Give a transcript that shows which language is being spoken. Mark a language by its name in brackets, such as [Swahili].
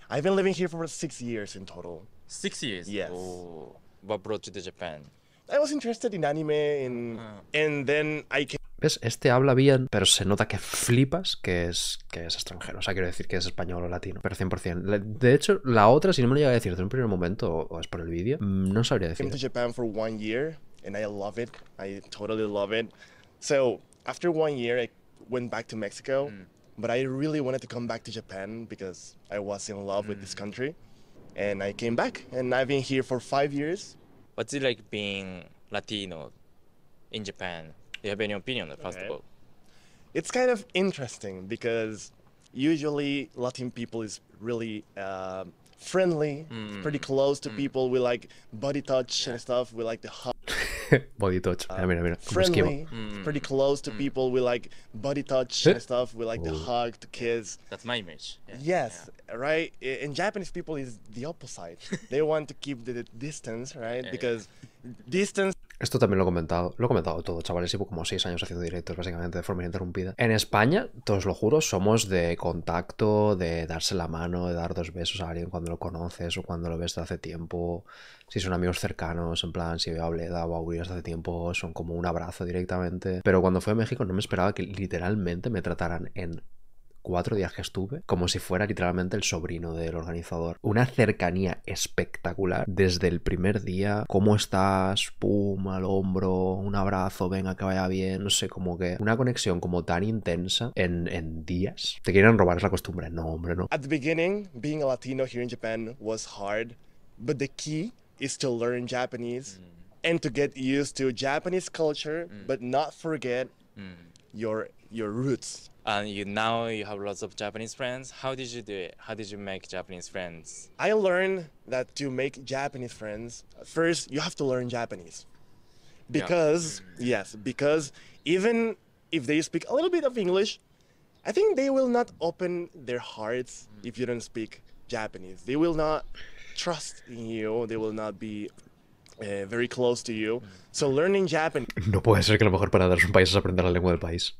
[English] I've been living here for 6 years in total. 6 years? Yes. Oh, what brought you to Japan? I was interested in anime and, and then I came. [Spanish] ¿Ves? Este habla bien, pero se nota que flipas que es extranjero. O sea, quiero decir que es español o latino, pero 100%. De hecho, la otra, si no me lo llega a decir desde un primer momento o es por el vídeo, no sabría decir. [English] I came to Japan for 1 year and I love it. I totally love it. So, after 1 year, I went back to Mexico. But I really wanted to come back to Japan because I was in love with this country. And I came back and I've been here for 5 years. What's it like being Latino in Japan? Do you have any opinion, first of all? It's kind of interesting because usually Latin people is really friendly, pretty close to people. We like body touch and stuff. We like the hug. Body touch. [Spanish] Mira. [English] Friendly, pretty close to people. We like body touch and stuff. We like the hug, to kiss. That's my image. Yeah. Yes, yeah. Right? In Japanese people is the opposite. They want to keep the distance, right? Yeah, because distance... [Spanish] Esto también lo he comentado todo, chavales, llevo como 6 años haciendo directos básicamente de forma ininterrumpida. En España, todos lo juro, somos de contacto, de darse la mano, de dar dos besos a alguien cuando lo conoces o cuando lo ves de hace tiempo. Si son amigos cercanos, en plan, si veo a Bleda o a Uri desde hace tiempo, son como un abrazo directamente. Pero cuando fui a México no me esperaba que literalmente me trataran en 4 días que estuve, como si fuera literalmente el sobrino del organizador. Una cercanía espectacular desde el primer día. ¿Cómo estás? Pum, al hombro, un abrazo, venga, que vaya bien. No sé, como que una conexión como tan intensa en días. Te quieren robar esa costumbre. No, hombre, no. [English] At the beginning, being a Latino here in Japan was hard, but the key is to learn Japanese and to get used to Japanese culture, but not forget your roots. And you now you have lots of Japanese friends. How did you do it? How did you make Japanese friends? I learned that to make Japanese friends, first you have to learn Japanese. Because, yeah. Yes, because even if they speak a little bit of English, I think they will not open their hearts if you don't speak Japanese. They will not trust in you. They will not be very close to you. So learning Japanese. [Spanish] No puede ser que lo mejor para dar es un país es aprender la lengua del país.